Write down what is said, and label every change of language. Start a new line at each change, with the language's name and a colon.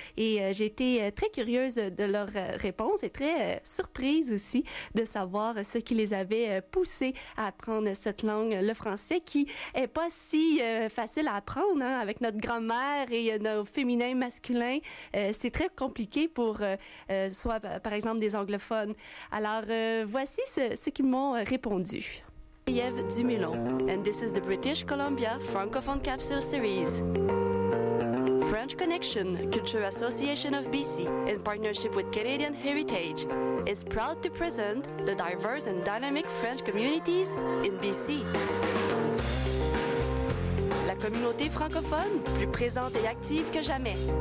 French: Et j'ai été très curieuse de leurs réponses et très surprise aussi de savoir ce qui les avait poussés à apprendre cette langue, le français, qui n'est pas si facile à apprendre, hein, avec notre grammaire et nos féminins, masculins. C'est très compliqué pour soit, par exemple, des anglophones. Alors, voici ce qu'ils m'ont répondu.
English: Marie-Ève Dumulon, and this is the British Columbia Francophone Capsule Series. French Connection, Culture Association of BC, in partnership with Canadian Heritage, is proud to present the diverse and dynamic French communities in BC.
French: La communauté francophone, plus présente et active que jamais.